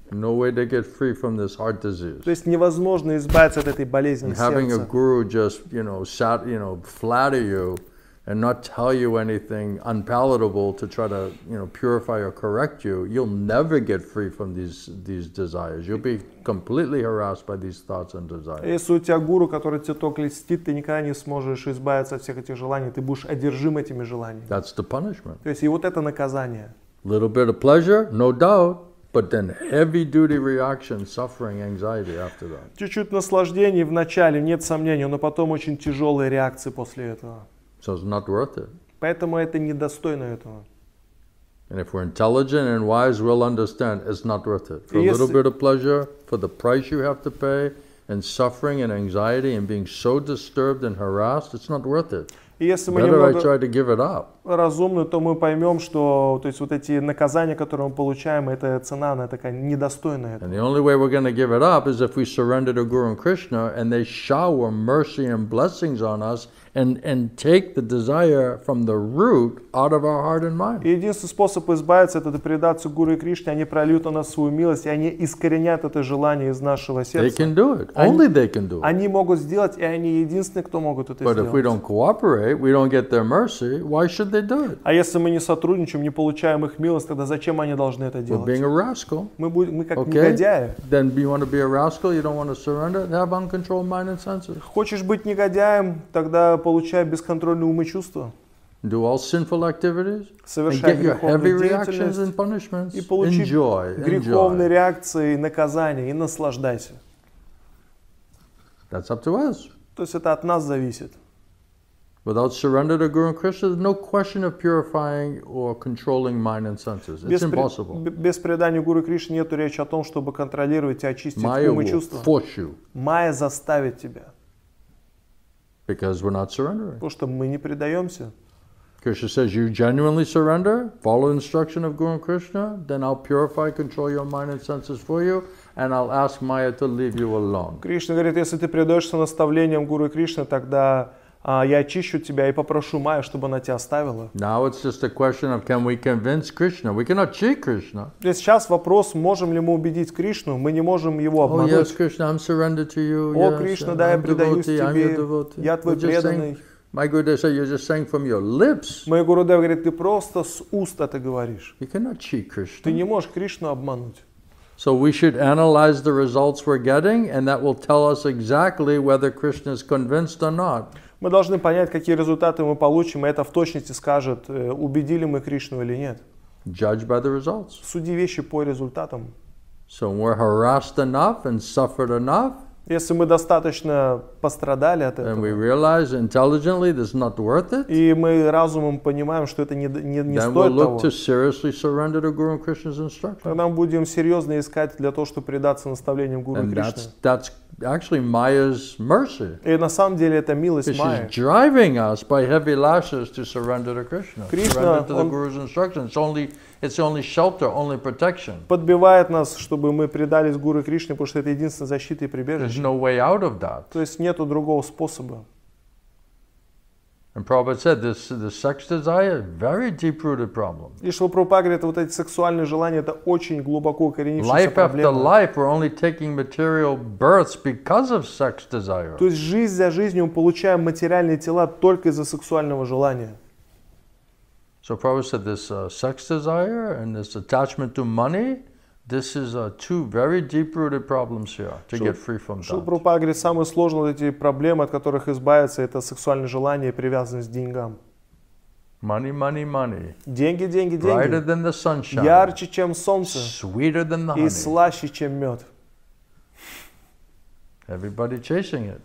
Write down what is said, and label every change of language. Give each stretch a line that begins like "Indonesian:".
English: No way to get free from this heart disease.
Russian: То есть невозможно избавиться от этой болезни сердца.
English: Having a guru just, you know, flatter you and not tell you anything unpalatable to try to, you know, purify or correct you, you'll never get free from these desires. You'll be completely harassed by these thoughts and desires.
Russian: Если у тебя гуру, который тебя только льстит, ты никогда не сможешь избавиться от всех этих желаний, ты будешь одержим этими желаниями.
English: That's the punishment.
Russian: То есть и вот это наказание.
English: Little bit of pleasure, no doubt. But then heavy duty reaction, suffering, anxiety after that.
Russian: Чуть-чуть наслаждений в начале, нет сомнений, но потом очень тяжелые реакции после этого.
English: So it's not worth it.
Russian: Поэтому это недостойно этого.
English: And if we're intelligent and wise, we'll understand it's not worth it. For a little bit of pleasure, for the price you have to pay, and suffering and anxiety and being so disturbed and harassed, it's not worth it.
Russian: Если мы немного разумны, то мы поймем, что то есть вот эти наказания, которые мы получаем, это цена, она такая недостойная.
English: And the only way we're going to give it up is if we surrender to Guru and Krishna, and they shower mercy and blessings on us, and take the desire from the root out of our heart and mind.
Russian: Единственный способ избавиться — это предаться Гуру и Кришне, они прольют на нас свою милость, и они искоренят это желание из нашего сердца.
English: They can do it. Only they can do it.
Russian: Они могут сделать, и они единственные, кто могут это сделать.
English: But if we don't cooperate, we don't get their mercy, why should they do it?
Russian: А если мы не сотрудничаем, не получаем их милость, тогда зачем они должны это делать?
English: We're being a rascal.
Russian: Мы как негодяи.
English: Then you want to be a rascal, you don't want to surrender, have uncontrolled mind and senses.
Russian: Хочешь быть негодяем, тогда получая бесконтрольные умы и чувства.
English: Do all sinful activities,
Russian: совершая
English: and get your heavy reactions and punishments,
Russian: и получи
English: enjoy,
Russian: греховные
English: enjoy.
Russian: Реакции и наказания, и наслаждайся.
English: That's up to us.
Russian: То есть это от нас зависит.
English: Without surrender to Guru and Krishna, there's no question of purifying or controlling mind and senses. It's impossible.
Russian: Без предания Гуру Кришне нет речи о том, чтобы контролировать и очистить умы и чувства.
English: Майя will force you.
Russian: Майя заставит тебя.
English: Because we're not surrendering.
Russian: Потому что мы не предаемся.
English: Krishna says, you genuinely surrender, follow instruction of Guru and Krishna, then I'll purify, control your mind and senses for you, and I'll ask Maya to leave you alone.
Russian: Кришна говорит, если ты предаешься наставлениям Гуру и Кришны, тогда я очищу тебя и попрошу Майю, чтобы она тебя оставила.
English: Now it's just a question of can we convince Krishna? We cannot cheat Krishna.
Russian: То есть сейчас вопрос, можем ли мы убедить Кришну? Мы не можем его обмануть.
English: Oh yes, Krishna, I'm surrendered to you.
Russian: О,
English: yes,
Russian: Кришна,
English: I'm
Russian: да,
English: I'm
Russian: я предаюсь
English: devotee,
Russian: тебе. Я твой
English: We're
Russian: преданный.
English: My Guru Dev said, you're just saying from your lips.
Russian: Мой Гуру Дев говорит, ты просто с уст это говоришь.
English: You cannot cheat Krishna.
Russian: Ты не можешь Кришну обмануть.
English: So we should analyze the results we're getting, and that will tell us exactly whether Krishna is convinced or not.
Russian: Мы должны понять, какие результаты мы получим, и это в точности скажет, убедили мы Кришну или нет.
English: Judge by the results.
Russian: Суди вещи по результатам.
English: So we're harassed enough and suffered enough.
Russian: Если мы достаточно пострадали от этого.
English: And we realize intelligently this is not worth it.
Russian: И мы разумом понимаем, что это не
English: then
Russian: стоит
English: we'll
Russian: того.
English: Then we look to seriously surrender to Guru and Krishna's instruction.
Russian: Тогда мы будем серьезно искать для того, чтобы предаться наставлениям Гуру
English: and
Russian: и Кришны.
English: Actually, Maya's mercy.
Russian: И на самом деле это милость Майи.
English: She's driving us by heavy lashes to surrender to Krishna.
Russian: Кришна,
English: surrender to the Guru's instructions. It's only shelter, only protection.
Russian: Подбивает нас, чтобы мы предались Гуру Кришне, потому что это единственная защита и прибежище.
English: There's no way out of that.
Russian: То есть нету другого способа.
English: And Prabhupada said this, the sex desire, very deep-rooted problem.
Russian: И что Прабхупада говорит, вот эти сексуальные желания, это очень глубоко коренившаяся проблема.
English: Life after life, we're only taking material births because of sex desire.
Russian: То есть жизнь за жизнью мы получаем материальные тела только из-за сексуального желания.
English: So Prabhupada said this sex desire and this attachment to money, this is two very deep-rooted problems here to get free from that.
Russian: Шри Прабхупада говорит, самые сложные вот эти проблемы, от которых избавиться, это сексуальное желание и привязанность к деньгам.
English: Money, money, money.
Russian: Деньги, деньги, деньги.
English: Brighter than the sunshine.
Russian: Ярче, чем солнце.
English: Sweeter than the honey.
Russian: И слаще, чем мед.
English: Everybody chasing it.